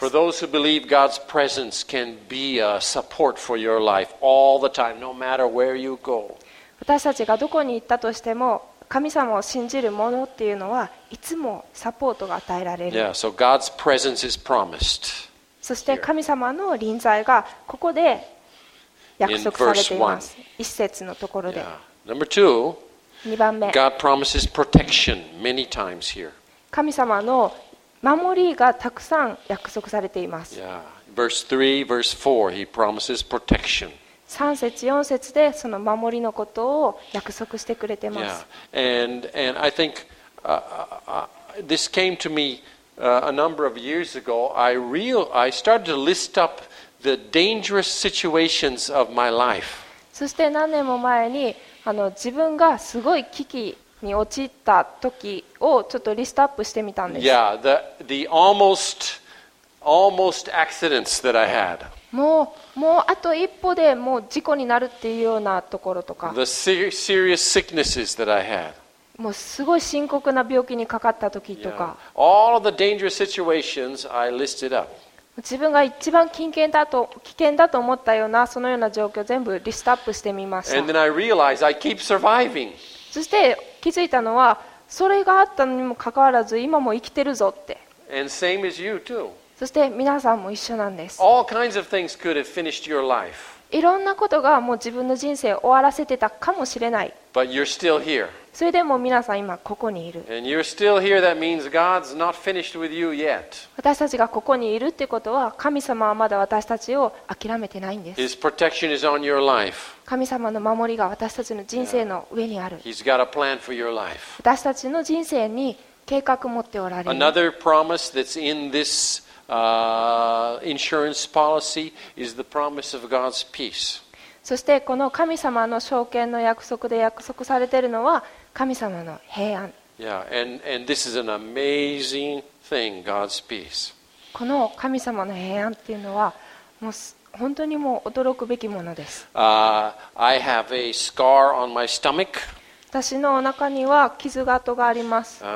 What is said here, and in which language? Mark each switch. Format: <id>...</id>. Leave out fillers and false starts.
<en>For those who believe God's presence can be a support for your life all the time, no matter where you go.</en> <ja>私たちがどこに行ったとしても、神様を信じる者っていうのはいつもサポートが与えられる。</ja> <en>Yeah, so God's presence is promised.</en> <ja>そして神様の臨在がここで約束されています。一節のところで。</ja> <en>Number two. God promises protection many times here.</en> <ja>神様の守りがたくさん約束されています。</ja> <en>Verse 3, verse 4, He promises protection.</en> <ja>3節、4節でその守りのことを約束してくれてます。</ja> <en>And I think this came to me a number of years ago. I started to list up the dangerous situations of my life.</en> <ja>そして何年も前に自分がすごい危機に陥った時をちょっとリストアップしてみたんです。</ja> <en>Yeah, the almost accidents that I had.</en> <ja>もうあと一歩でもう事故になるっていうようなところとか。</ja> <en>The serious sicknesses that I had.</en> <ja>もうすごい深刻な病気にかかった時とか。</ja> <en>Yeah. All of the dangerous situations I listed up.</en> <ja>自分が一番危険だと思ったようなそのような状況を全部リストアップしてみました。</ja> <en>And then I realized I keep surviving.</en> <ja>そして気づいたのはそれがあったのにもかかわらず今も生きてるぞって。</ja> <en>And same as you too.</en> <ja>そして皆さんも一緒なんです。</ja> <en>All kinds of things could have finished your life.</en> <ja>いろんなことがもう自分の人生を終わらせてたかもしれない。</ja> <en>But you're still here.</en> <ja>それでも皆さん今ここにいる。</ja> <en>And you're still here. That means God's not finished with you yet.</en> <ja>私たちがここにいるってことは神様はまだ私たちを諦めてないんです。</ja> <en>His protection is on your life.</en> <ja>神様の守りが私たちの人生の上にある。</ja> <en>He's got a plan for your life.</en> <ja>私たちの人生に計画を持っておられる。</ja> <en>Another promise that's in this insurance policy is the promise of God's peace.</en> <ja>そしてこの神様の証券の約束で約束されているのは神様の平安。</ja> <en>Yeah, and this is an amazing thing, God's peace.</en> <ja>この神様の平安っていうのはもう本当にもう驚くべきものです。</ja> <en>I have a scar on my stomach.</en> <ja>私のお腹には傷跡があります。</ja>